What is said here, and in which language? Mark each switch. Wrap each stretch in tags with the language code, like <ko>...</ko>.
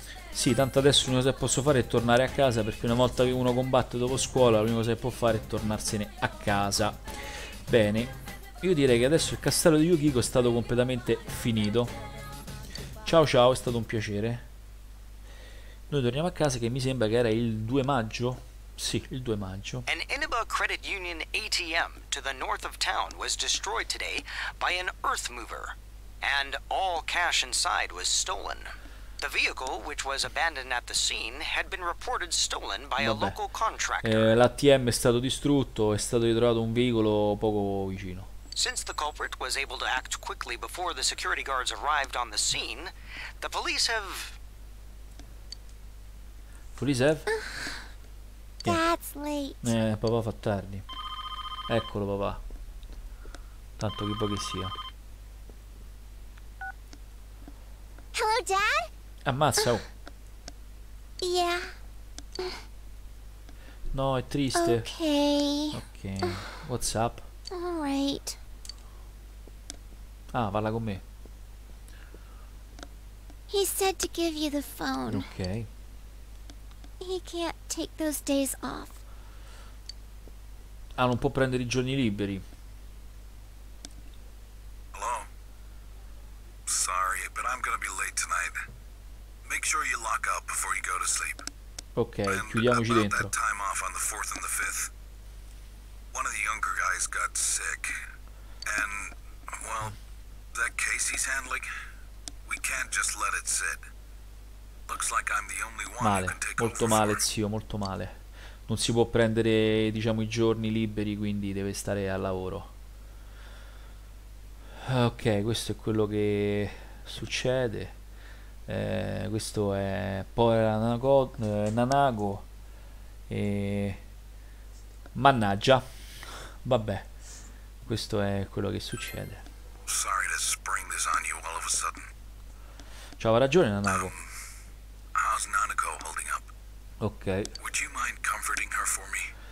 <it>Sì, tanto adesso l'unica cosa che posso fare è tornare a casa, perché una volta che uno combatte dopo scuola, l'unica cosa che può fare è tornarsene a casa. Bene. Io direi che adesso il castello di Yukiko è stato completamente finito. Ciao ciao, è stato un piacere. Noi torniamo a casa, che mi sembra che era il 2 maggio. Sì, il 2 maggio.</it> <en>An Inaba Credit Union ATM to the north of town was destroyed today by an earth mover, and all cash inside was stolen. The vehicle, which was abandoned at the scene, had been reported stolen by a local contractor.</en> <it>L'ATM è stato distrutto, è stato ritrovato un veicolo poco vicino.</it> <en>Since the culprit was able to act quickly before the security guards arrived on the scene, the police have... Police have... That's late.</en> <it>Papà fa tardi. Eccolo papà. Tanto che va che sia.</it> <en>Hello dad?</en> <it>Ammazza. Oh.</it> <en>Yeah.</en> <it>No, è triste.</it> <en>Okay. Okay. What's up? All right.</en> <it>Ah, parla con me.</it> <en>He said to give you the phone. Okay. He can't take those days off.</en> <it>Ah, non può prendere i giorni liberi.</it> <en>Hello. Sorry, but I'm gonna be late tonight. Make sure you lock up before you go to sleep.</en> <it>Ok, chiudiamoci dentro.</it> <en>About that time off on the 4th and the 5th. One of the younger guys got sick. And, well, that case he's handling, we can't just let it sit. Looks like I'm the only one.</en> <it>Male, molto male zio, molto male. Non si può prendere, diciamo, i giorni liberi, quindi deve stare al lavoro. Ok, questo è quello che succede. Questo è povera Nanago. E mannaggia. Vabbè. Questo è quello che succede.</it> <en>Sorry to spring this on you all of a sudden.</en> <it>C'aveva ragione Nanago.</it> <en>How's Nanako holding up? Ok. Would you mind comforting her for me?</en>